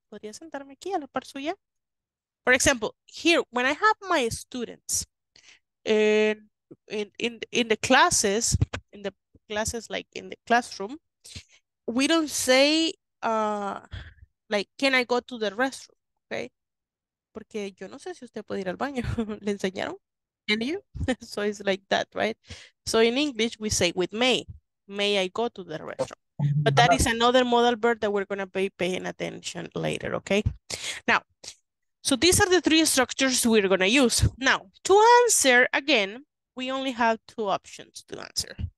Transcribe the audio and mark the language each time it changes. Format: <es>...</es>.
<es>¿Podría sentarme aquí a la par suya?</es> <en>For example, here, when I have my students in the classes, like in the classroom, we don't say, like, can I go to the restroom, okay?</en> <es>Porque yo no sé si usted puede ir al baño. ¿Le enseñaron?</es> <en>Can you? So it's like that, right? So in English, we say with may I go to the restroom. But that is another modal verb that we're going to be paying attention later, okay? Now, so these are the three structures we're going to use. Now, to answer, again, we only have two options to answer.</en>